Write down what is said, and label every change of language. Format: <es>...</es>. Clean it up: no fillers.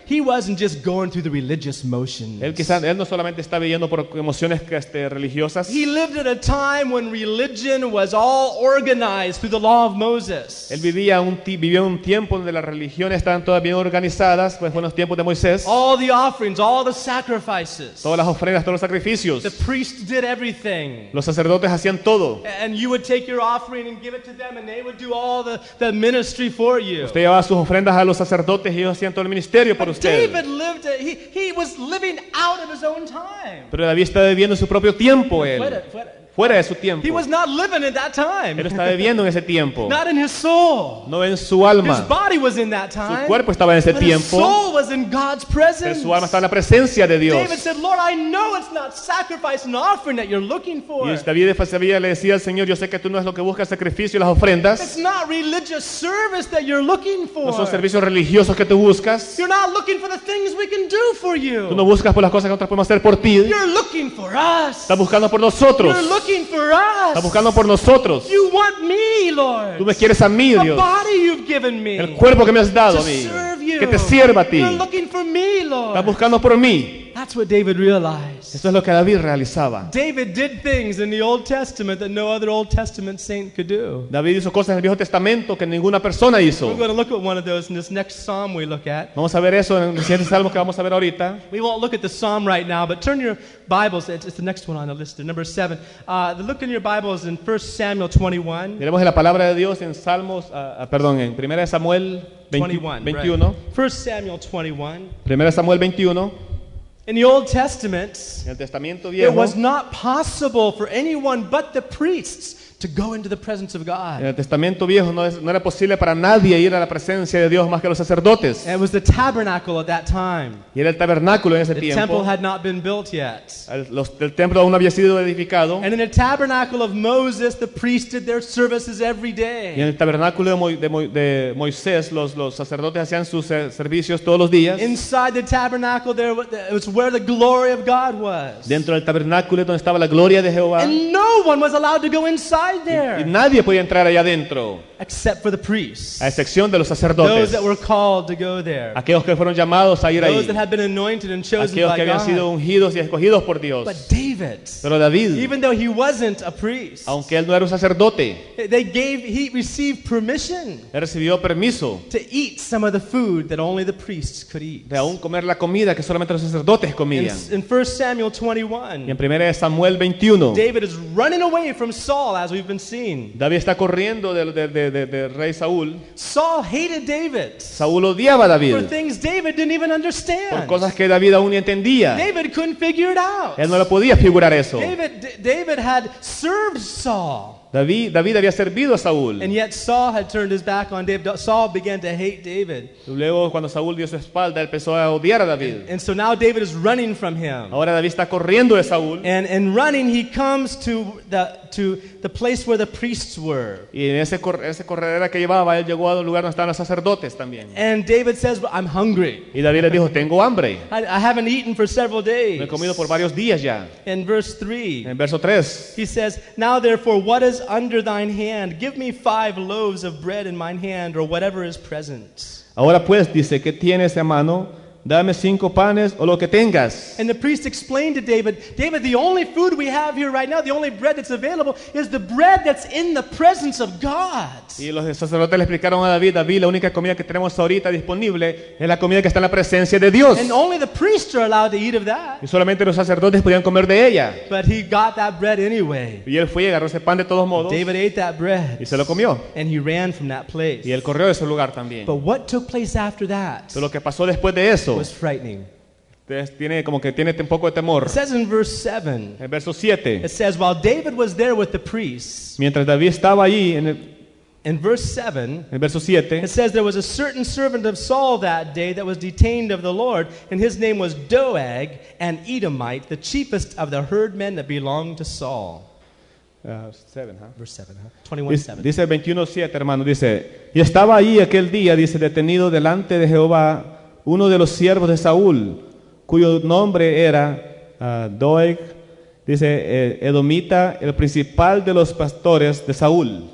<en>He wasn't just going through the religious motions.</en> <es>Él no solamente estaba viviendo por emociones religiosas.</es> <en>He lived at a time when religion was all organized through the law of Moses.</en> <es>Él vivía un tiempo donde las religiones estaban todas bien organizadas, pues fue en los tiempos de Moisés.</es> <en>All the offerings, all the sacrifices.</en> <es>Todas las ofrendas, todos los sacrificios.</es> <en>The priest did everything.</en> <es>Los sacerdotes hacían todo.</es> <en>And you would take your offering and give it to them, and they would do all the ministry for you.</en> <es>Usted llevaba sus ofrendas a los sacerdotes y ellos hacían todo el ministerio por usted.</es> <en>David lived; he was living out of his own time.</en> <es>Pero David estaba viviendo su propio tiempo él. Fuera de su tiempo.</es> <en>He was not living at that time.</en> <es>Él estaba viviendo en ese tiempo.</es> <en>Not in his soul.</en> <es>No en su alma.</es> <en>His body was in that time.</en> <es>Su cuerpo estaba en ese tiempo.</es> <en>His soul was in God's presence.</en> <es>Pero su alma estaba en la presencia de Dios.</es> <en>David said, "Lord, I know it's not sacrifice and offering that you're looking for."</en> <es>Y David le decía al Señor, "Yo sé que tú no es lo que buscas, sacrificio y las ofrendas."</es> <en>It's not religious service that you're looking for.</en> <es>No son servicios religiosos que tú buscas.</es> <en>You're not looking for the things we can do for you.</en> <es>Tú no buscas por las cosas que nosotros podemos hacer por ti.</es> <en>You're looking for us.</en> <es>Estás buscando por nosotros. Está buscando por nosotros.</es> <en>You want me, Lord.</en> <es>Tú me quieres a mí, Dios.</es> <en>The body you've given me.</en> <es>El cuerpo que me has dado a mí. Que te sirva a ti.</es> <en>You're looking for me, Lord.</en> <es>Está buscando por mí.</es> <en>That's what David realized.</en> <es>Eso es lo que David realizaba.</es> <en>David did things in the Old Testament that no other Old Testament saint could do.</en> <es>David hizo cosas en el Viejo Testamento que ninguna persona hizo.</es> <en>We're going to look at one of those in this next psalm we look at.</en> <es>Vamos a ver eso en el siguiente salmo que vamos a ver ahorita.</es> <en>We won't look at the psalm right now, but turn your Bibles. It's the next one on the list, number 7. Look in your Bibles in 1 Samuel 21.</en> <es>Miremos la palabra de Dios en Salmos, perdón, en 1 Samuel 21.</es> <en>1 Samuel 21.</en> <es>1 Samuel 21.</es> <en>In the Old Testament,</en> <es>el Testamento viejo,</es> <en>it was not possible for anyone but the priests to go into the presence of God.</en> <es>En el Testamento viejo no era posible para nadie ir a la presencia de Dios más que los sacerdotes.</es> <en>It was the tabernacle at that time.</en> <es>Y era el tabernáculo en ese tiempo.</es> <en>The temple had not been built yet.</en> <es>El templo aún no había sido edificado.</es> <en>And in the tabernacle of Moses, the priests did their services every day.</en> <es>Y en el tabernáculo de Moisés, los sacerdotes hacían sus servicios todos los días.</es> <en>Inside the tabernacle, there it was where the glory of God was.</en> <es>Dentro del tabernáculo donde estaba la gloria de Jehová.</es> <en>And no one was allowed to go inside.</en> <es>Y nadie podía entrar allá adentro.</es> <en>Except for the priests,</en> <es>a excepción de los sacerdotes,</es> <en>those that were called to go there,</en> <es>aquellos que fueron llamados a ir</es> <en>those</en> <es>ahí,</es> <en>that had been anointed and chosen</en> <es>aquellos</es> <en>by</en> <es>que habían</es> <en>God.</en> <es>Sido ungidos y escogidos por Dios.</es> <en>But David,</en> <es>pero David,</es> <en>even though he wasn't a priest,</en> <es>aunque él no era un sacerdote,</es> <en>he received permission,</en> <es>él recibió permiso,</es> <en>to eat some of the food that only the priests could eat,</en> <es>de aún comer la comida que solamente los sacerdotes comían.</es> <en>In 1 Samuel 21,</en> <es>y en 1 Samuel 21,</es> <en>David is running away from Saul, as we've been seeing.</en> <es>David está corriendo de rey Saúl.</es> <en>Saul hated David.</en> <es>Saúl odiaba a David.</es> <en>For things David didn't even understand.</en> <es>Por cosas que David aún ni entendía.</es> <en>David couldn't figure it out.</en> <es>Él no lo podía figurar eso.</es> <en>David had served Saul.</en> <es>David había servido a Saúl.</es> <en>And yet Saul had turned his back on David. Saul began to hate David.</en> <es>Luego cuando Saúl dio su espalda, él empezó a odiar a David.</es> <en>And so now David is running from him.</en> <es>Ahora David está corriendo de Saúl.</es> <en>And running, he comes to the place where the priests were.</en> <es>Y en ese corredera que llevaba, él llegó al lugar donde estaban los sacerdotes también.</es> <en>And David says, "I'm hungry."</en> <es>Y David le dijo, "Tengo hambre."</es> <en>I haven't eaten for several days.</en> <es>No he comido por varios días ya.</es> <en>In verse 3.</en> <es>En verso 3.</es> <en>He says, "Now therefore, what is under thine hand? Give me 5 loaves of bread in mine hand, or whatever is present."</en> <es>Ahora pues, dice, ¿qué tienes a mano? Dame 5 panes o lo que tengas.</es> <en>And the priest explained to David, the only food we have here right now, the only bread that's available, is the bread that's in the presence of God.</en> <es>Y los sacerdotes le explicaron a David, la única comida que tenemos ahorita disponible es la comida que está en la presencia de Dios.</es> <en>And only the priests are allowed to eat of that.</en> <es>Y solamente los sacerdotes podían comer de ella.</es> <en>But he got that bread anyway.</en> <es>Y él fue y agarró ese pan de todos modos.</es> <en>David ate that bread.</en> <es>Y se lo comió.</es> <en>And he ran from that place.</en> <es>Y él corrió de ese lugar también.</es> <en>But what took place after that?</en> <es>Pero lo que pasó después de eso.</es> <en>Was frightening.</en> <es>Tiene como que tiene un poco de temor.</es> <en>It says in verse 7.</en> <es>En verso 7.</es> <en>It says while David was there with the priests.</en> <es>Mientras David estaba allí en el.</es> <en>In verse 7,</en> <es>en verso 7,</es> <en>it says there was a certain servant of Saul that day that was detained of the Lord, and his name was Doeg, an Edomite, the chiefest of the herdmen that belonged to Saul. Verse 7, huh?</en> <es>21:7. Dice 21:7, hermano. Dice, y estaba allí aquel día, dice, detenido delante de Jehová, uno de los siervos de Saúl, cuyo nombre era Doeg, dice Edomita, el principal de los pastores de Saúl.</es>